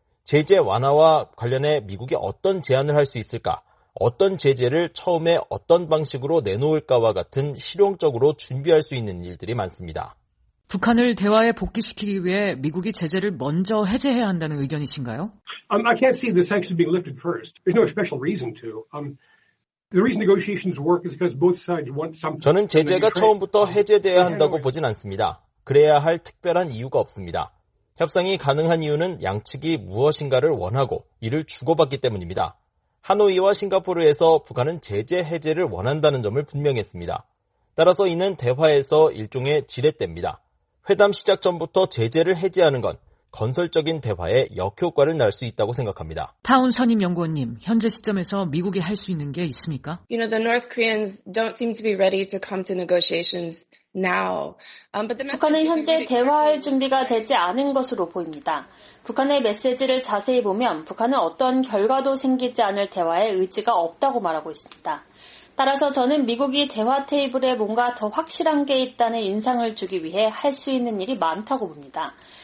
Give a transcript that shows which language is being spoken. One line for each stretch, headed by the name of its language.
Korean: 제재 완화와 관련해 미국이 어떤 제안을 할 수 있을까? 어떤 제재를 처음에 어떤 방식으로 내놓을까와 같은 실용적으로 준비할 수 있는 일들이 많습니다. 북한을 대화에 복귀시키기 위해 미국이 제재를 먼저 해제해야 한다는 의견이신가요?
English: I can't see the sanctions being lifted first. There's no special reason to. The reason negotiations work is because both sides want something.
Korean: 저는 제재가 처음부터 해제돼야 한다고 보진 않습니다. 그래야 할 특별한 이유가 없습니다. 협상이 가능한 이유는 양측이 무엇인가를 원하고 이를 주고받기 때문입니다. 하노이와 싱가포르에서 북한은 제재 해제를 원한다는 점을 분명했습니다. 따라서 이는 대화에서 일종의 지렛대입니다. 회담 시작 전부터 제재를 해제하는 건 건설적인 대화에 역효과를 낼 수 있다고 생각합니다. 타운 선임 연구원님, 현재 시점에서 미국이 할 수 있는 게 있습니까?
English: You know, the North Koreans don't seem to be ready to come to negotiations.
Korean: 북한은 현재 대화할 준비가 되지 않은 것으로 보입니다. 북한의 메시지를 자세히 보면 북한은 어떤 결과도 생기지 않을 대화에 의지가 없다고 말하고 있습니다. 따라서 저는 미국이 대화 테이블에 뭔가 더 확실한 게 있다는 인상을 주기 위해 할 수 있는 일이 많다고 봅니다.